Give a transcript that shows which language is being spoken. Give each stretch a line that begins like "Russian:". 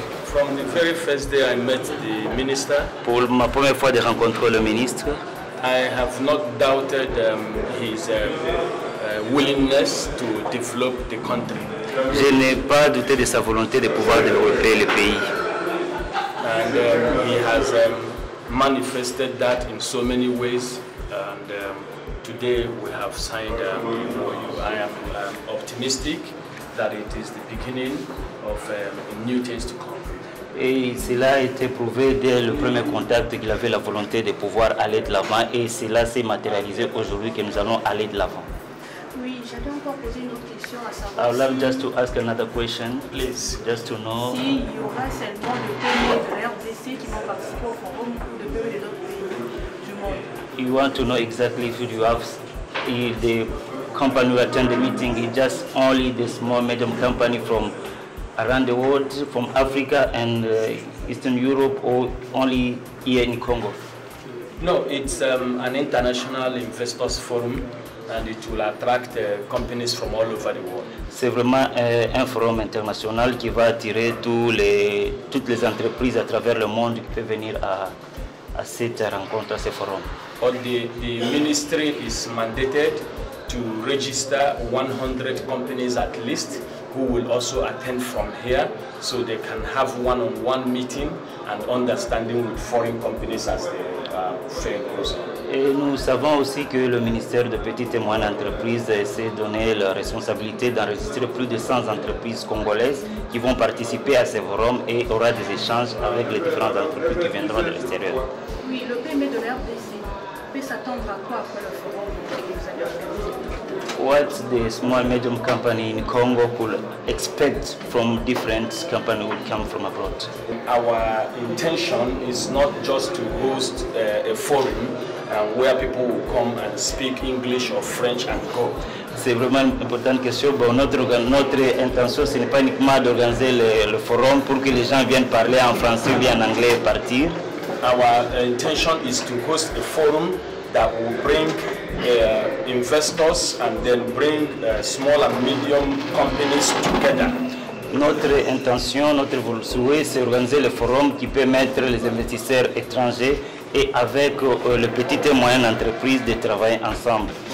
English: from the very first day I met the minister,
French: pour ma première fois de rencontrer le ministre,
English: I have not doubted his willingness to develop the country.
French: Je n'ai pas douté de sa volonté de pouvoir développer le pays.
English: And he has manifested that in so many ways. And today we have signed MOU. I am optimistic that it is the beginning of new things to come.
French: Et cela a été prouvé dès le premier contact qu'il avait la volonté de pouvoir aller de l'avant et cela s'est matérialisé aujourd'hui que nous allons aller de l'avant. Oui, j'avais encore posé une autre question à savoir.
English: I would like just to ask another question, please, just to know.
French: Si il y aura seulement le premier de RDC qui vont participer au forum de peuple et d'autres pays du monde.
English: You want to know exactly if you have the company who attend the meeting is just only the small medium company from around the world, from Africa and Eastern Europe, or only here in Congo? No, it's an international investors forum, and it will attract companies from all over the world.
French: C'est vraiment un forum international qui va attirer toutes les entreprises à travers le monde qui peuvent venir à cette rencontre, à ce forum.
English: The ministry is mandated to register 100 companies at least who will also attend from here, so they can have one-on-one meeting and understanding with foreign companies as they fair goes on.
French: Et nous savons aussi que le ministère de Petites et Moyennes Entreprises s'est donné la responsabilité d'enregistrer plus de 100 entreprises congolaises qui vont participer à ces forums et aura des échanges avec les différentes entreprises qui viendront de l'extérieur. Oui, le PME de l'RDC peut s'attendre à quoi après le forum?
English: What the small medium company in Congo could expect from different companies who come from abroad? Our intention is not just to host a forum where people will come and speak English or French and go.
French: C'est vraiment une importante question. Bon, notre intention, ce n'est pas uniquement d'organiser le forum pour que les gens viennent parler en français ou en anglais et partir.
English: Our intention is to host a forum that will bring investors and then bring small and medium companies together.
French: Notre intention, notre souhait, c'est d'organiser le forum qui peut mettre les investisseurs étrangers et avec les petites et moyennes entreprises de travailler ensemble.